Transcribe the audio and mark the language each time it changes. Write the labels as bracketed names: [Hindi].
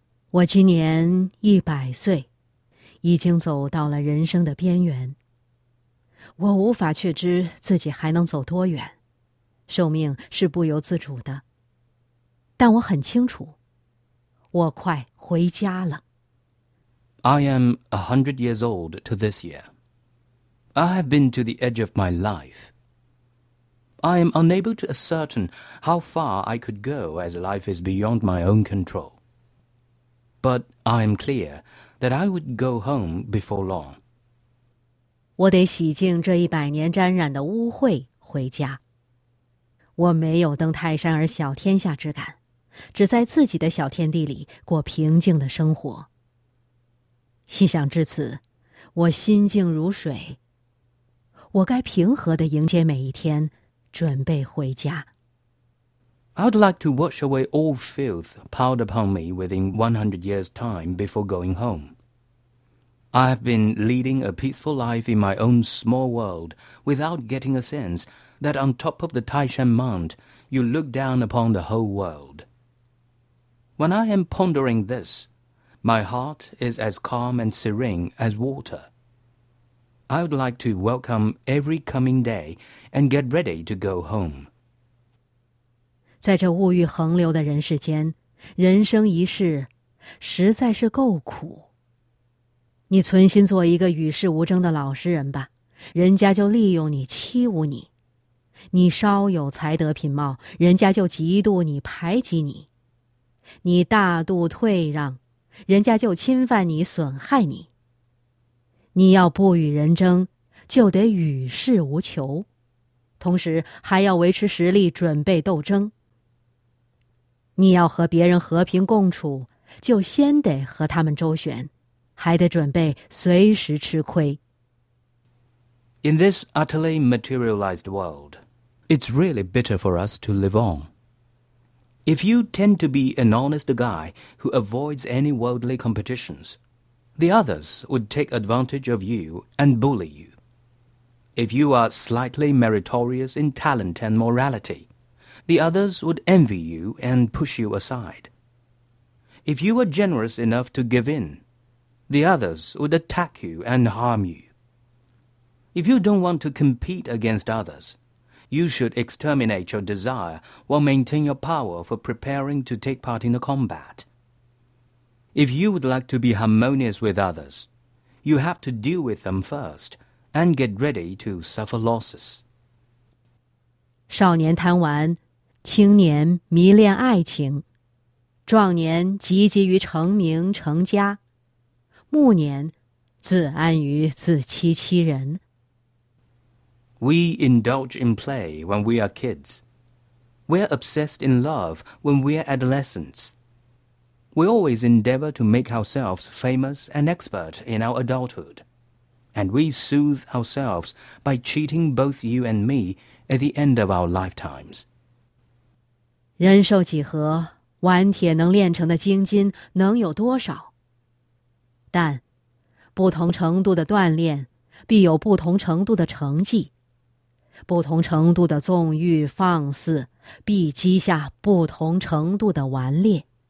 [Chinese] 我今年100岁，已经走到了人生的边缘。我无法确知自己还能走多远，寿命是不由自主的。但我很清楚，我快回家了。 [English] I am 100 years old to this year. I have been to the edge of my life. I am unable to ascertain how far I could go as life is beyond my own control. But I am clear that I would go home before long. [Chinese] 我得洗净这100年沾染的污秽回家。我没有登泰山而小天下之感，只在自己的小天地里过平静的生活。细想至此，我心静如水。我该平和地迎接每一天，准备回家。 [English] I would like to wash away all filth piled upon me within 100 years' time before going home. I have been leading a peaceful life in my own small world without getting a sense that on top of the Taishan Mount you look down upon the whole world. When I am pondering this, my heart is as calm and serene as water. I would like to welcome every coming day and get ready to go home. [Chinese] 在这物欲横流的人世间，人生一世实在是够苦。你存心做一个与世无争的老实人吧，人家就利用你欺侮你，你稍有才德品貌，人家就嫉妒你，排挤你；你大度退让，人家就侵犯你，损害你。你要不与人争，就得与世无求，同时还要维持实力，准备斗争。你要和别人和平共处，就先得和他们周旋，还得准备随时吃亏。 [English] In this utterly materialized world, it's really bitter for us to live on. If you tend to be an honest guy who avoids any worldly competitions, the others would take advantage of you and bully you. If you are slightly meritorious in talent and morality, the others would envy you and push you aside. If you were generous enough to give in, the others would attack you and harm you. If you don't want to compete against others, you should exterminate your desire while maintaining your power for preparing to take part in the combat. If you would like to be harmonious with others, you have to deal with them first and get ready to suffer losses. [Chinese] 少年贪玩，青年迷恋爱情，壮年汲汲于成名成家，暮年自安于自欺欺人。 [English] We indulge in play when we are kids. We are obsessed in love when we are adolescents. We always endeavor to make ourselves famous and expert in our adulthood. And we soothe ourselves by cheating both you and me at the end of our lifetimes. [Chinese] 人寿几何，顽铁能炼成的精金能有多少？但不同程度的锻炼必有不同程度的成绩。不同程度的纵欲放肆，必积下不同程度的顽劣。